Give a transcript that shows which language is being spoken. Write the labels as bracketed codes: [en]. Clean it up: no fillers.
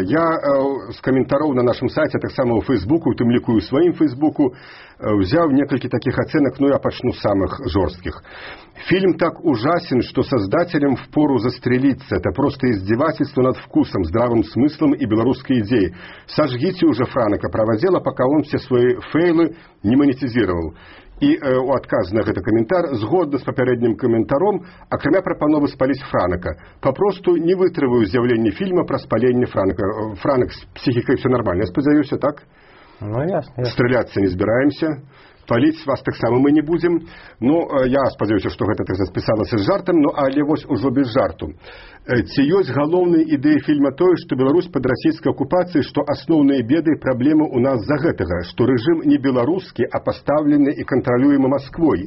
[be] Я з каментароў на нашым сайце, таксама ў Фейсбуку, у тым ліку і ў сваім Фейсбуку, узяў некалькі такіх ацэнак, ну, я пачну з самых жорсткіх. [ru] Фільм так ужасен, што создателям впору застреліцца. Это просто издевательство над вкусом, здравым смыслом [be] і беларускай ідзеі. [ru] Сажгіце уже Франака, правадзела, пока он все свои фейлы не монетизировал. [be] І у адказ на гэты каментар, згодна з папярэднім каментаром, акрамя прапановы спаліць Франака, папросту не вытрываю з'яўленне фільма пра спаленне Франака. Франак, з псіхікай все нормально, я спадзяюся, так? Ну, ясно. Стреляцца не збіраемся. Паліць вас таксама мы не будзем. Ну, я спадзяюся, што гэта так запісалася з жартам, ну, але вось ўжо без жарту. Ці ёсць галоўнай ідэі фільма тое, што Беларусь пад расійскай акупацыяй, што асноўныя беды і праблемы ў нас за гэтага, што рэжым не беларускі, а пастаўлены і кантралюемы Масквой?